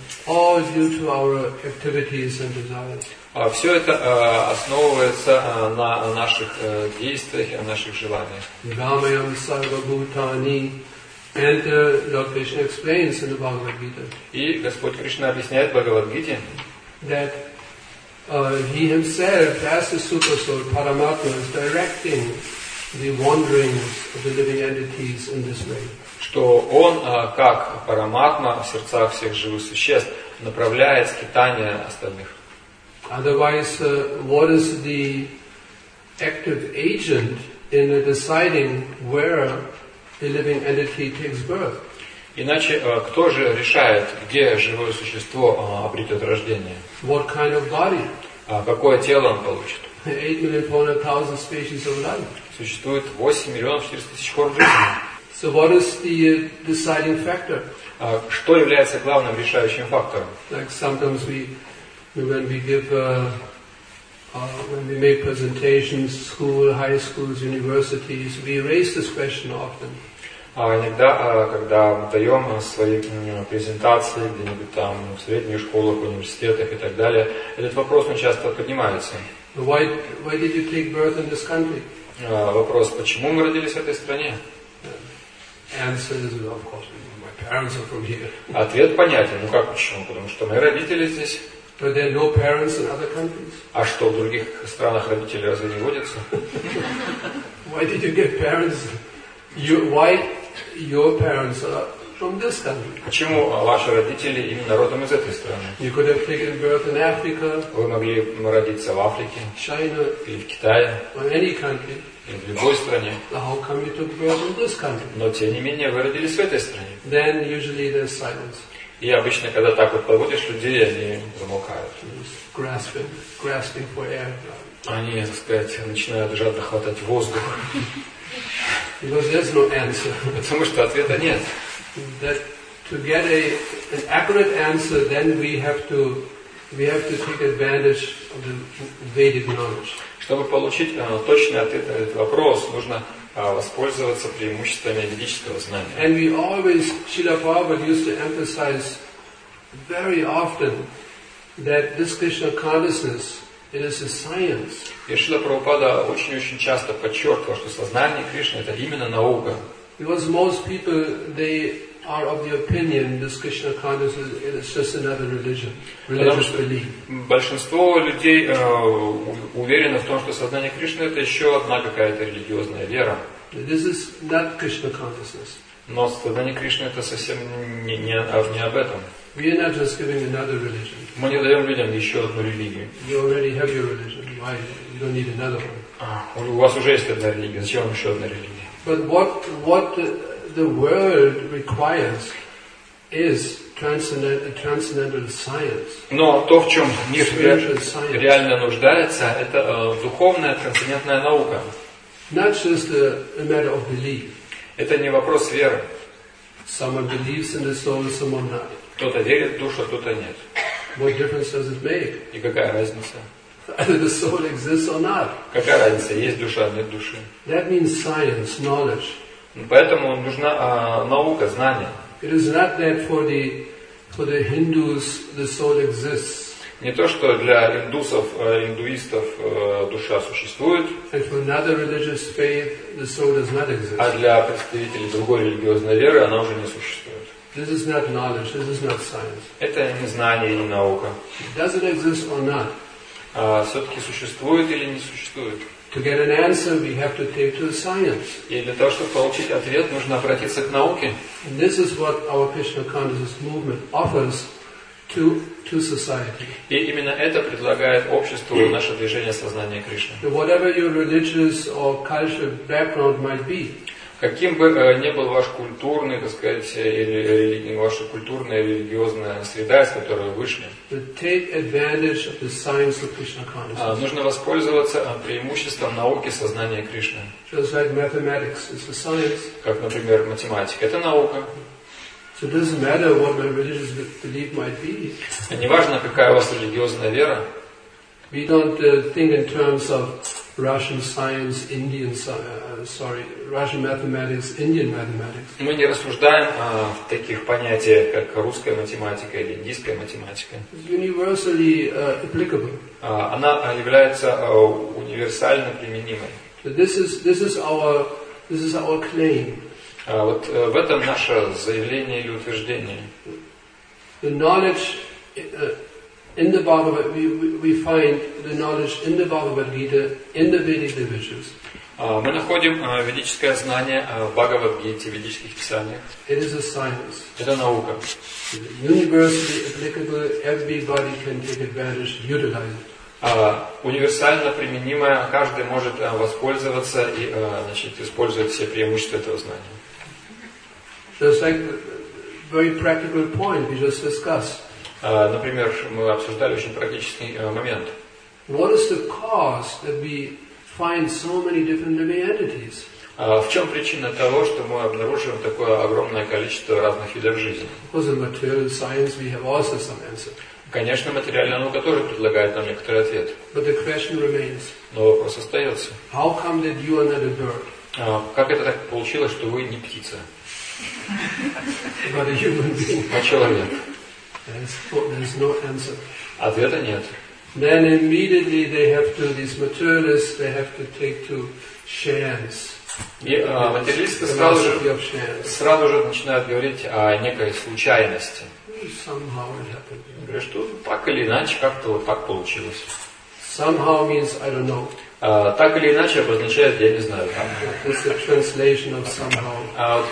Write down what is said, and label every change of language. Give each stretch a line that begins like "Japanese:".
English: All due to our activities and desires.
Russian: Все это основывается на наших действиях и наших желаниях.
Sanskrit: Дамаям сарва-бхутани.
English: And Lord Krishna explains in the Bhagavad-gita.
Russian: И Господь Кришна объясняет в Бхагавад-гите.
English: That he himself, as the super soul, Paramatma, is directing the wanderings of the living entities in this way.
Russian: Что он, как Параматма в сердцах всех живых существ, направляет скитания остальных.
English: Otherwise, what is the active agent in deciding where a living entity takes birth?
Russian: Иначе кто же решает, где живое существо обретет рождение?
English: What kind of body?
Russian: Какое тело он получит?
English: 8,400,000 species of life.
Russian: Существует 8,400,000 форм жизни.
English: So what is the deciding factor?
Russian: Что является главным решающим фактором?
English: Like sometimes when we make presentations, school, high schools, universities, we raise this question often.
Russian: Иногда, когда мы даем свои презентации где-нибудь там в средних школах, в университетах и так далее, этот вопрос очень часто поднимается.
English: Why did you take birth in this country?
Russian: Вопрос, почему мы родились в этой стране?
English: Answer is, of course, my parents are from here.
Russian: Ответ понятен. Ну как почему? Потому что мои родители здесь.
English: But there are no parents in other countries.
Russian: А что, в других странах родители разве не водятся?
English: Why did you get parents? Why your parents are from this country?
Russian: Почему ваши родители именно родом из этой страны?
English: You could have taken birth in Africa.
Russian: Вы могли родиться в Африке.
English: China.
Russian: Или в Китае.
English: Or any country.
Russian: Или в любой стране.
English: How come you took birth in this country?
Russian: Но тем не менее вы родились в этой стране.
English: Then usually there's silence.
Russian: И обычно, когда так вот подводишь людей, они замолкают.
English: Grasping for air.
Russian: Они, так сказать, начинают жадно хватать воздух.
English: Because there's no answer.
Russian: Потому что ответа нет.
English: That to get an accurate answer, then we have to take advantage of the Vedic knowledge.
Russian: Чтобы получить точный ответ на этот вопрос, нужно воспользоваться преимуществами ведического знания.
English: And we always, Srila Prabhupada used to emphasize very often that this Krishna consciousness, it is a science.
Russian: И Шрила Прабхупада очень-очень часто подчеркивал, что сознание Кришны это именно наука.
English: Because most people, they are of the opinion this Krishna consciousness, it is just another religious belief.
Russian: Большинство людей уверены в том, что сознание Кришны это еще одна какая-то религиозная вера.
English: This is not Krishna consciousness.
Russian: Но сознание Кришны это совсем не об этом.
English: We are not just giving another religion.
Russian: Мы не даем людям еще одну религию.
English: You already have your religion. Why? You don't need another one.
Russian: У вас уже есть одна религия. Зачем вам еще одна религия?
English: But what the world requires is transcendental science.
Russian: Но то, в чем мир реально нуждается, это духовная трансцендентная наука.
English: Not just a matter of belief.
Russian: Это не вопрос веры.
English: Someone believes in the soul, someone not.
Russian: Кто-то верит в душу, а кто-то нет.
English: What difference does it make?
Russian: И какая разница?
English: Either the soul exists or not.
Russian: Какая разница, есть душа, нет души?
English: That means science, knowledge.
Russian: Поэтому нужна наука, знание.
English: It is not that for the Hindus the soul exists.
Russian: Не то, что для индусов, индуистов душа существует.
English: And for another religious faith the soul does not exist.
Russian: А для представителей другой религиозной веры она уже не существует.
English: This is not knowledge. This is not science.
Russian: Это не знание и не наука.
English: Does it exist or not?
Russian: Все-таки существует или не существует?
English: To get an answer, we have to take to the science.
Russian: И для того, чтобы получить ответ, нужно обратиться к науке.
English: And this is what our Krishna consciousness movement offers to society.
Russian: И именно это предлагает обществу и наше движение сознания Кришны.
English: Whatever your religious or cultural background might be.
Russian: Каким бы ни был ваш культурный, так сказать, или ваша культурная или религиозная среда, из которой вы вышли, нужно воспользоваться преимуществом науки сознания Кришны.
English: Just like mathematics is a science.
Russian: Как, например, математика — это наука.
English: So it doesn't matter what my religious belief might be.
Russian: Неважно, какая у вас религиозная вера.
English: We don't think in terms of Russian science, Indian science, Russian mathematics, Indian mathematics.
Russian: Мы не рассуждаем в таких понятиях, как русская математика или индийская математика.
English: It's universally applicable.
Russian: Она является универсально применимой.
English: This is our claim.
Russian: Вот в этом наше заявление или утверждение.
English: The knowledge in the Bhagavad we find the knowledge in the Bhagavad Gita in the Vedic divisions.
Russian: Мы находим ведическое знание в Бхагавад-гите, в ведических писаниях.
English: It is a science.
Russian: Это наука.
English: Universally applicable, everybody can take advantage, utilize it.
Russian: Универсально применимое, каждый может воспользоваться и использовать все преимущества этого знания.
English: Just like very practical point we just discussed.
Russian: Например, мы обсуждали очень практический момент.
English: What is the cause that we find so many different living entities?
Russian: В чем причина того, что мы обнаруживаем такое огромное количество разных видов жизни?
English: Because in material science we have also some answer.
Russian: Конечно, материальная наука тоже предлагает нам некоторый ответ.
English: But the question remains.
Russian: Но вопрос остается.
English: How come that you are not a bird?
Russian: Как это так получилось, что вы не птица?
English: But a human being.
Russian: А человек?
English: There's no answer.
Russian: Ответа нет.
English: Then immediately they have to, these materialists, they have to take to shams.
Russian: Материалисты сразу же начинают говорить о некой случайности.
English: Somehow it happened.
Russian: Говорят, что так или иначе, как-то вот так получилось.
English: Somehow means I don't know.
Russian: Так или иначе обозначает я не знаю.
English: It's a translation of somehow.